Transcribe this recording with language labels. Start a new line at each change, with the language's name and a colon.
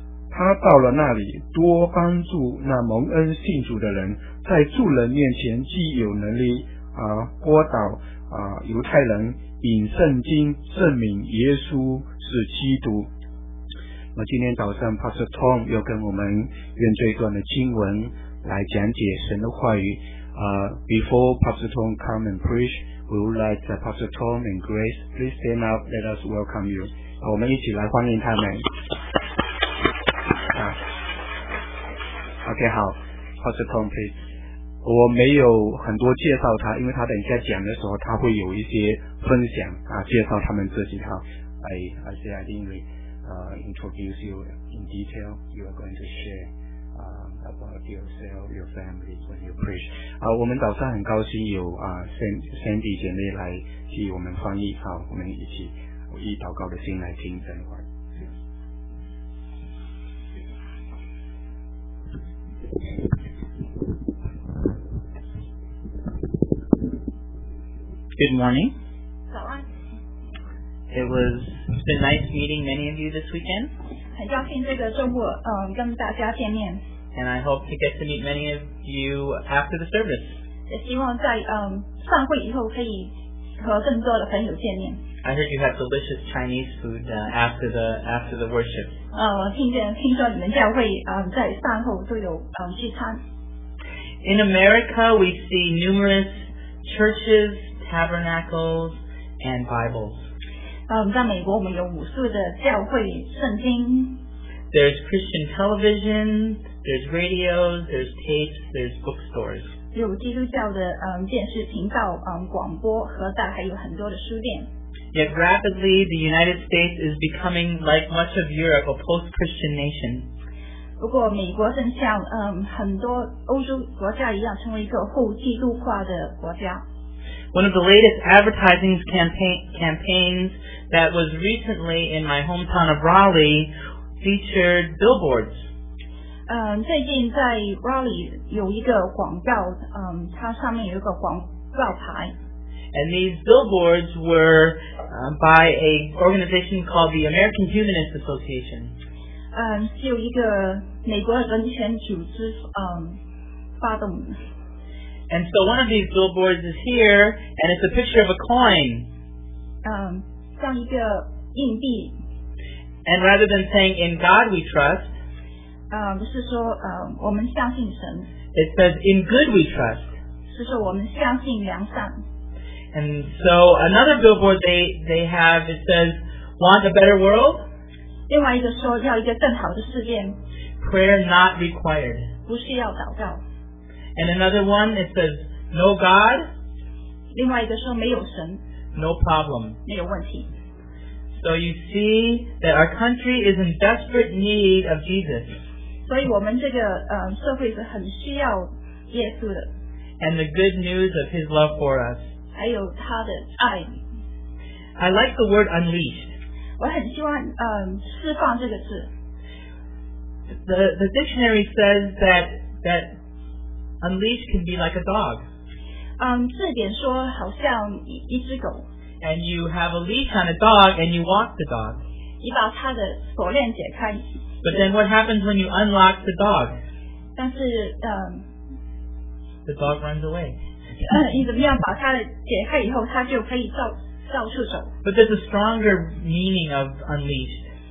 Chinese: 他到了那里，多帮助那蒙恩信主的人，在众人面前既有能力拨倒犹太人，引圣经证明耶稣是基督。那今天早上 Pastor Tom 又跟我们用这一段的经文来讲解神的话语。
English: Before Pastor Tom come and preach, we would like Pastor Tom and Grace, please stand up, let us welcome you.
Chinese: 我们一起来欢迎他们。
English: OK, 好， Pastor Tom, please.
Chinese: 我没有很多介绍他，因为他等一下讲的时候他会有一些分享介绍他们自己。
English: 好， I say I didn't introduce you in detail. You are going to share about yourself, your family when you preach.
Chinese: 我们早上很高兴有Sandy 姐妹来替我们翻译。好，我们一起以祷告的心来听这会儿。
English: Good morning. Good. It's been nice meeting many of you this weekend.
Chinese: 很高兴这个周末跟大家见面。
English: And I hope to get to meet many of you after the service.
Chinese: 希望在散会以后可以和更多的朋友见面。
English: I heard you had delicious Chinese food after the worship.
Chinese: 听说你们教会在散后都有聚餐。
English: In America, we see numerous churches, tabernacles, and Bibles.
Chinese: 在美国我们有无数的教会圣经。
English: There's Christian television, there's radios, there's tapes, there's bookstores.
Chinese: 有基督教的电视频道广播和在还有很多的书店。
English: Yet rapidly, the United States is becoming, like much of Europe, a post-Christian nation.
Chinese: 不过美国正像很多欧洲国家一样成为一个后基督化的国家。
English: One of the latest advertising campaigns that was recently in my hometown of Raleigh featured billboards.
Chinese: 最近在 Raleigh 有一个广告，它上面有一个广告牌。
English: And these billboards were by an organization called the American Humanist Association.
Chinese: 是有一个美国人权组织发动的。
English: And so one of these billboards is here, and it's a picture of a coin.
Chinese: 像一个硬币。
English: And rather than saying, in God we trust,
Chinese: 是说我们相信神。
English: It says, in good we trust.
Chinese: 是说我们相信良善。
English: And so another billboard they have, it says, want a better world?
Chinese: 另外一个说要一个更好的世界。
English: Prayer not required.
Chinese: 不需要祷告。
English: And another one, it says, no God?
Chinese: 另外一个说没有神。
English: No problem.
Chinese: 没有问题。
English: So you see that our country is in desperate need of Jesus.
Chinese: 所以我们这个社会是很需要耶稣的。
English: And the good news of his love for us.
Chinese: 还有他的爱。
English: I like the word unleashed.
Chinese: 我很希望释放这个字。
English: The dictionary says that unleashed can be like a dog.
Chinese: 字典说好像一只狗。
English: And you have a leash on a dog and you walk the dog.
Chinese: 你把它的锁链解开。
English: But then what happens when you unlock the dog?
Chinese: 但是
English: the dog runs away.
Chinese: 你怎么样把它解开以后，它就可以到处走。
English: But there's a stronger meaning of unleashed.